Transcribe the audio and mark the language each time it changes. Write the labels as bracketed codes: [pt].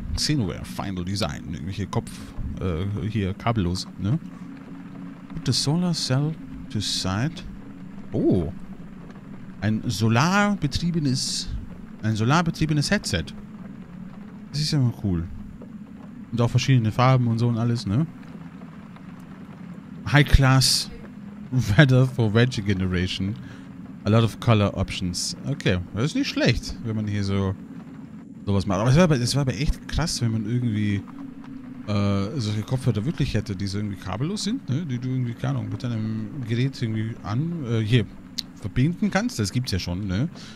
[de] Xenoware, Final Design, irgendwelche Kopf, hier, kabellos, ne? [en] Put the solar cell to side. [de] Oh, ein solarbetriebenes Headset. Das ist ja mal cool. Und auch verschiedene Farben und so und alles, ne? [en] High Class Weather for Veggie Generation. A lot of color options. [de] Okay, das ist nicht schlecht, wenn man hier so sowas macht. Aber es war aber echt krass, wenn man irgendwie solche Kopfhörer wirklich hätte, die so irgendwie kabellos sind, ne? Die du irgendwie, keine Ahnung, mit deinem Gerät irgendwie an, hier, verbinden kannst, das gibt's ja schon, ne?